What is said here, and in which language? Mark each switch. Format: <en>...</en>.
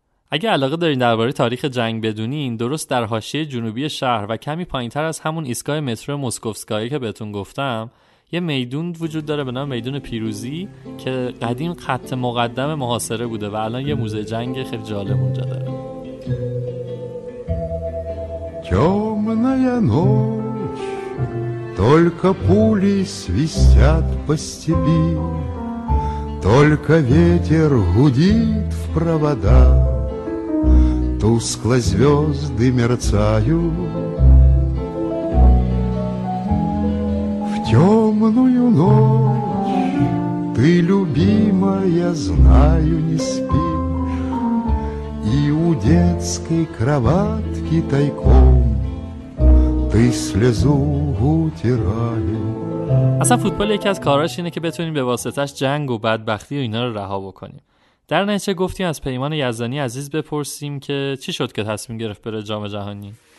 <fa>اگه علاقه دارین درباره تاریخ جنگ بدونین، درست در حاشیه جنوبی شهر و کمی پایین‌تر از همون ایستگاه مترو موسکوفسکایه که بهتون گفتم، یه میدون وجود داره به نام میدون پیروزی که قدیم خط مقدم محاصره بوده و الان یه موزه جنگ خیلی جالب اونجا داره.</fa> <ru>Темная ночь, только пули свистят по степи, только ветер гудит в провода, тускло звезды мерцают. В темную ночь ты, любимая, знаю, не спишь, и у детской кроватки тайком ты слезу утираешь.</ru> <fa>اصلا فوتبال یکی از کاراش اینه که بتونیم به واسطش جنگ و بدبختی و اینا رو رها بکنیم. در نتیجه گفتیم از پیمان یزدانی عزیز بپرسیم که چی شد که تصمیم گرفت بره جام جهانی.</fa>